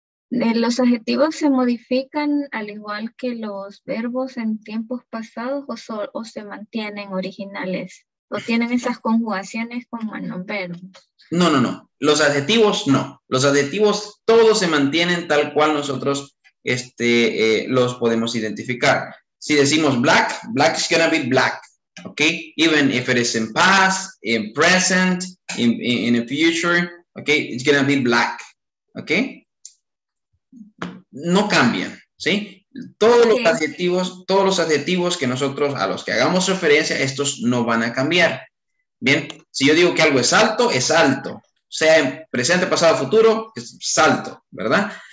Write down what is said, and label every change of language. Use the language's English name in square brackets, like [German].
[Spanish] Los adjetivos se modifican al igual que los verbos en tiempos pasados o se mantienen originales o tienen esas conjugaciones con manos verbos. No. Los adjetivos no. Los adjetivos todos se mantienen tal cual nosotros los podemos identificar. Si decimos [English] black, black is gonna be black. Okay, even if it is in past, in present, in the future, okay, it's gonna be black. Okay. [Spanish] No cambian, ¿sí? Todos los adjetivos que nosotros, a los que hagamos referencia, estos no van a cambiar. Bien, si yo digo que algo es alto, sea en presente, pasado, futuro, es alto, ¿verdad?